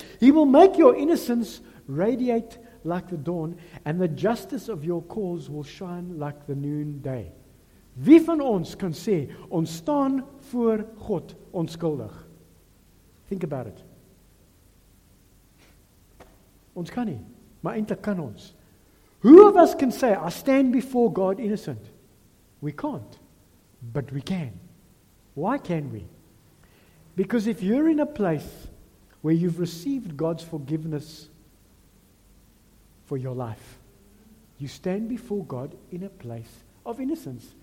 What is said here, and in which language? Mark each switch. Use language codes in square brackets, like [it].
[en] He will make your innocence radiate like the dawn, and the justice of your cause will shine like the noonday. [af] Wie van ons kan sê, ons staan voor God onskuldig? [en] Think about it. [af] Ons kan nie, maar eintlik kan ons. [en] Who of us can say, I stand before God innocent? We can't, but we can. Why can we? Because if you're in a place where you've received God's forgiveness for your life, you stand before God in a place of innocence.